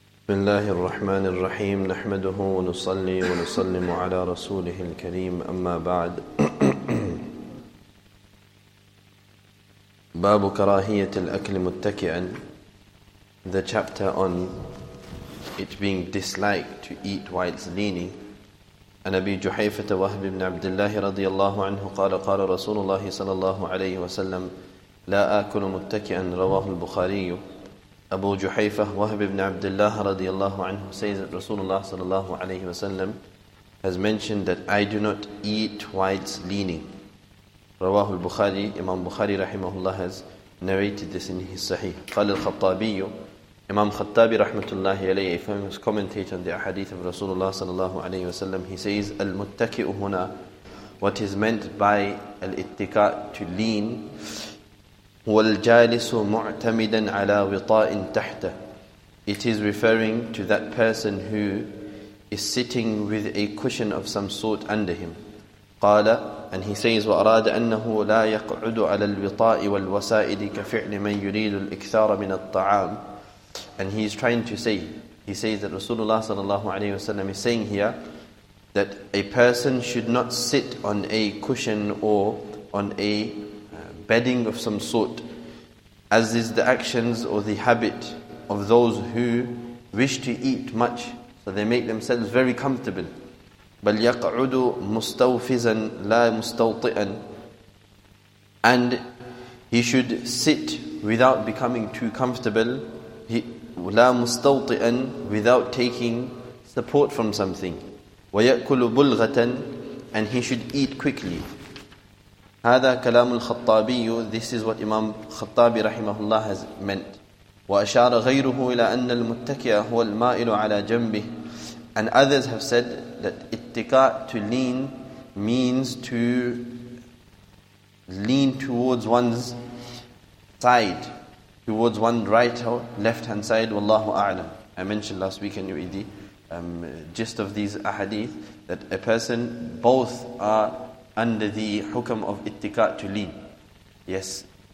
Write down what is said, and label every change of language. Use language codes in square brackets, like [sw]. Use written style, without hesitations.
[ar] بسم الله الرحمن الرحيم نحمده ونصلي ونسلم على رسوله الكريم أما بعد باب كراهية الأكل متكئا. [en] The chapter on it being disliked to eat whilst leaning. [ar] عن أبي جحيفة وهب بن عبد الله رضي الله عنه قال قال رسول الله صلى الله عليه وسلم لا آكل متكئا. رواه البخاري. [en] Abu Juhayfah Wahb ibn Abdullah radiallahu anhu says that Rasulullah sallallahu alayhi wa sallam has mentioned that I do not eat whilst leaning. Rawahu al-Bukhari, Imam Bukhari rahimahullah has narrated this in his Sahih. Qal al-Khattabi, Imam Khattabi rahmatullahi alayhi, a famous commentator on the ahadith of Rasulullah sallallahu alayhi wa sallam, he says, [ar] al-muttaki'u huna, [en] what is meant by al-ittika' to lean, [ar] والجالس معتمدا على وطاء تحته. [en] It is referring to that person who is sitting with a cushion of some sort under him. [ar] قال, [en] and he says, [ar] وأراد أنه لا يقعد على الوطاء والوسائد كفعل من يريد الإكثار من الطعام. [en] And he is trying to say, he says that Rasulullah صلى الله عليه وسلم is saying here that a person should not sit on a cushion or on a bedding of some sort, as is the actions or the habit of those who wish to eat much, so they make themselves very comfortable. [ar] بَلْ يَقْعُدُ مُسْتَوْفِزًا لَا مُسْتَوْطِئًا. [en] And he should sit without becoming too comfortable, [ar] لَا مُسْتَوْطِئًا, [en] without taking support from something. [ar] وَيَأْكُلُ بُلْغَةً, [en] and he should eat quickly. [ar] هذا كلام الخطابي. [en] This is what Imam Khattabi rahimahullah has meant. [ar] وأشار غيره إلى أن المتكئ هو المائل على جنبه. [en] And others have said that ittika' to lean means to lean towards one's side, towards one right or left hand side. [ar] والله أعلم. [en] I mentioned last week in UED gist of these ahadith that a person both are under the hukam of ittika' to lean. Yes.